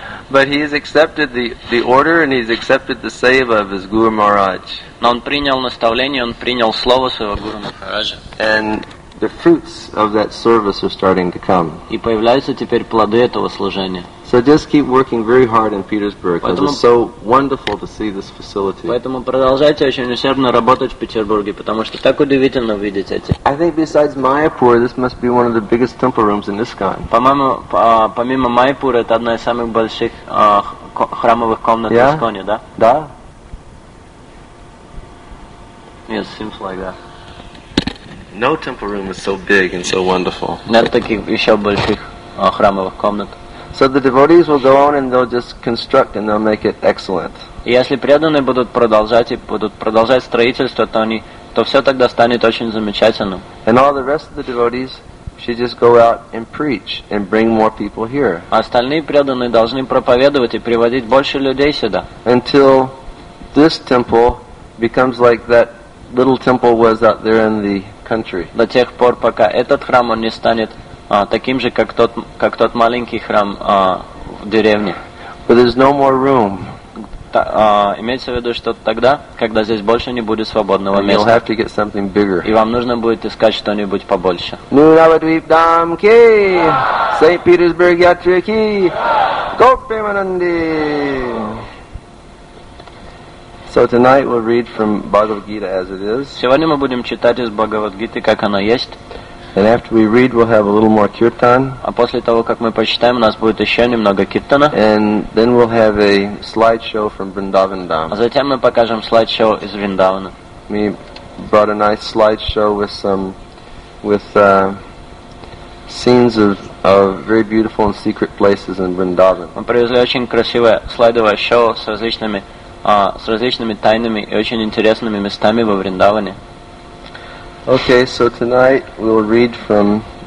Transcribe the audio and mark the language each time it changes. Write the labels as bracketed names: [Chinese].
[English] But he has accepted the order and he's accepted the seva of his Guru Maharaj. [Russian] Но он принял наставление, он принял слово своего Гуру Махараджа. [English] And the fruits of that service are starting to come. [Russian] И появляются теперь плоды этого служения. [English] So just keep working very hard in Petersburg, because it's so wonderful to see this facility. [Russian] Поэтому продолжайте очень усердно работать в Петербурге, потому что так удивительно видеть эти. [English] I think besides Mayapur, this must be one of the biggest temple rooms in ISKCON. [Russian] По-моему, помимо Майпура, это одна из самых больших храмовых комнат в ISKCON, да? Да. [English] Yes, seems like that. No temple room is so big and so wonderful. [Russian] Нет таких еще больших храмовых комнат. [English] So the devotees will go on and they'll just construct and they'll make it excellent. [Russian] Если преданные будут продолжать и будут продолжать строительство, то все тогда станет очень замечательным. [English] And all the rest of the devotees should just go out and preach and bring more people here. [Russian] Остальные преданные должны проповедовать и приводить больше людей сюда. [English] Until this temple becomes like that little temple was out there in the country. [Russian] До тех пор, пока этот храм не станет таким же, как тот маленький храм в деревне. [English] But there's no more room. [Russian] Имеется в виду, что тогда, когда здесь больше не будет свободного места. [English] You'll have to get something bigger. [Russian] И вам нужно будет искать что-нибудь побольше. Ну, Навадвип Дам Ки! Санкт-Петербург Ятри Ки! Гопи Мананди! [English] So tonight we'll read from Bhagavad Gita as it is. [Russian] Сегодня мы будем читать из Бхагавад Гиты, как она есть. [English] And after we read, we'll have a little more kirtan. [Russian] А после того, как мы почитаем, у нас будет еще немного киртана. [English] And then we'll have a slideshow from Vrindavan Dham. [Russian] А затем мы покажем слайд-шоу из Вриндавана. [English] We brought a nice slideshow with some scenes of very beautiful and secret places in Vrindavan. [Russian] Мы привезли очень красивое слайдовое шоу с различными тайными и очень интересными местами во Вриндаване. [English] Okay, so tonight we'll read from